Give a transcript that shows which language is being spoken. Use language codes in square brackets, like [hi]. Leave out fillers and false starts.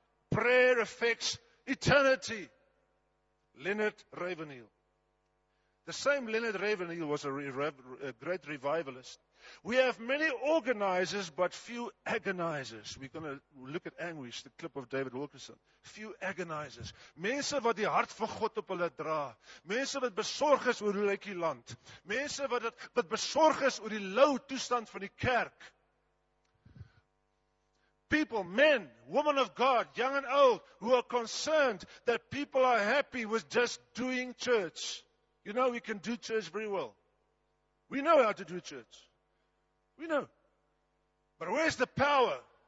[en] Prayer affects eternity. Leonard Ravenhill. The same Leonard Ravenhill was a great revivalist. We have many organizers, but few agonizers. We're going to look at anguish, the clip of David Wilkerson. Few agonizers. [af] Mense wat die hart van God op hulle dra. Mense wat besorg is oor hoe lyk die land. Mense wat besorg is oor die lou toestand van die kerk. [en] People, men, women of God, young and old, who are concerned that people are happy with just doing church. You know, we can do church very well. We know how to do church. We know. But where's the power?